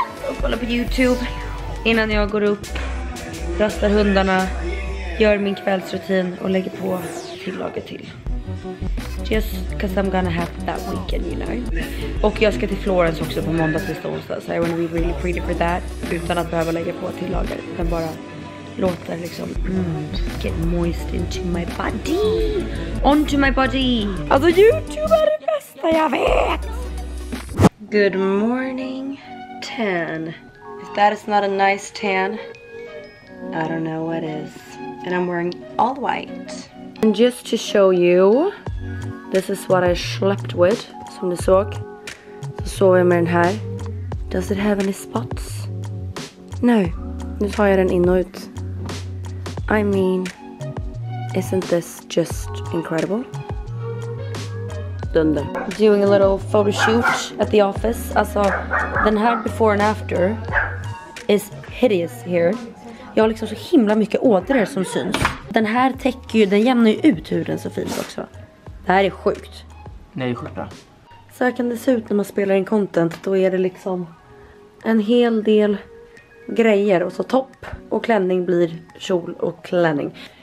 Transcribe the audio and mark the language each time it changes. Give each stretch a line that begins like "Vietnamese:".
Swedish: Och kolla på YouTube. Innan jag går upp, rastar hundarna, gör min kvällsrutin och lägger på tillaget till.
English: Just because I'm gonna have that weekend, you know.
Swedish: Och jag ska till Florence också på måndag till onsdag.
English: So I wanna be really pretty for that.
Swedish: Utan att behöva lägga på tillager. Utan bara låta liksom
English: get moist into my body. Onto my body.
Swedish: Alltså YouTube är det bästa jag vet.
English: Good morning, tan. If that is not a nice tan, I don't know what is. And I'm wearing all white. And just to show you, this is what I slept with,
Swedish: som ni såg. Så sov jag med den här.
English: Does it have any spots? No.
Swedish: Nu tar jag den in och ut.
English: I mean, isn't this just incredible? Dunder. Doing a little photo shoot at the office.
Swedish: Alltså, den här
English: before and after is hideous here.
Swedish: Jag har liksom så himla mycket ådror som syns. Den här täcker ju, den jämnar ju ut huden så fint också. Det här är sjukt. Nej, skjorta. Så här kan det se ut när man spelar in content. Då är det liksom en hel del grejer. Och så topp och klänning blir kjol och klänning.